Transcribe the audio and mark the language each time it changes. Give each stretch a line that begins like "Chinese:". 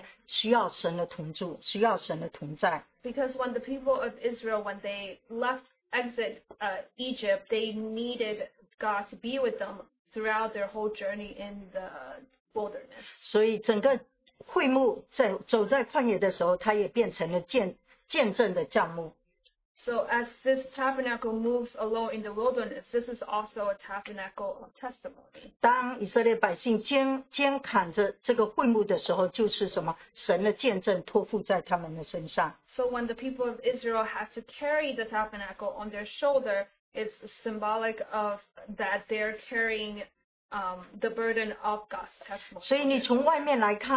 Chinese: 因为当他们以色列百姓出埃及的时候，要走在整个旷野里面，需要神的同住，需要神的同在。
English: Because when the people of Israel, when they left exit Egypt, they needed God to be with them throughout their whole journey in the wilderness.
Chinese: 所以整个 会幕在走在旷野的时候，它也变成了见证的帐幕。
English: So as this tabernacle moves along in the wilderness, this is also a tabernacle of testimony.
Chinese: 当以色列百姓肩扛着这个会幕的时候，就是什么神的见证托付在他们的身上。
English: So when the people of Israel have to carry the tabernacle on their shoulder, it's symbolic of that they're carrying the burden of God's testimony.